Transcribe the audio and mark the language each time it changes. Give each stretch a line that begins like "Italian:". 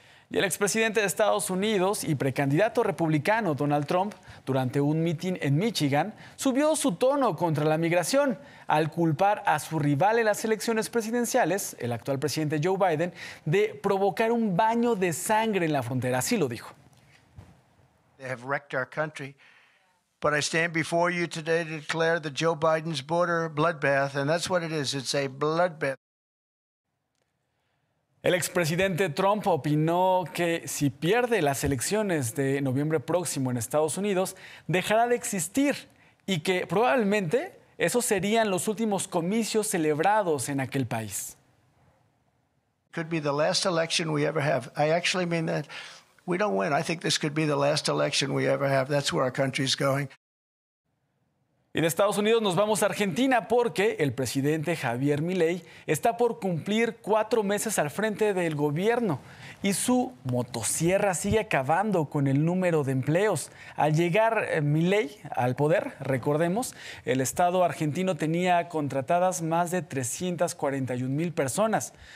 Spanish: Y el expresidente de Estados Unidos y precandidato republicano Donald Trump, durante un mitin en Michigan, subió su tono contra la migración al culpar a su rival en las elecciones presidenciales, el actual presidente Joe Biden, de provocar un baño de sangre en la frontera. Así lo dijo.
English: They have wrecked our country, but I stand before you today to declare that Joe Biden's border bloodbath, and that's what it is. It's a bloodbath.
Spanish: El expresidente Trump opinó que si pierde las elecciones de noviembre próximo en Estados Unidos, dejará de existir y que probablemente esos serían los últimos comicios celebrados en aquel país.
English: Could be the last election we ever have. I actually mean that. We don't win. I think this could be the last election we ever have. That's where our country's going.
Spanish: Y de Estados Unidos nos vamos a Argentina porque el presidente Javier Milei está por cumplir 4 meses al frente del gobierno y su motosierra sigue acabando con el número de empleos. Al llegar Milei al poder, recordemos, el Estado argentino tenía contratadas más de 341 mil personas.